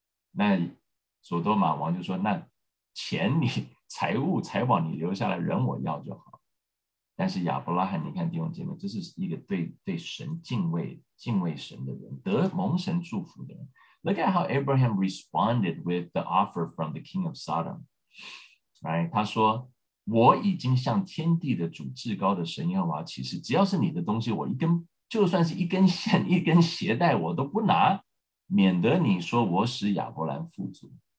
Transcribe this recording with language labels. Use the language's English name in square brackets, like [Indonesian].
[Chinese] 那索多玛王就说，那钱你财物财宝你留下来，人我要就好。但是亚伯拉罕，你看弟兄姐妹，这是一个 对神敬畏神的人，得蒙神祝福的人。 [English] Look at how Abraham responded with the offer from the king of Sodom, right? [Chinese] 他说，我已经向天地的主至高的神耶和华起誓，只要是你的东西，我一根就算是一根线一根鞋带我都不拿，免得你说我使亚伯兰富足。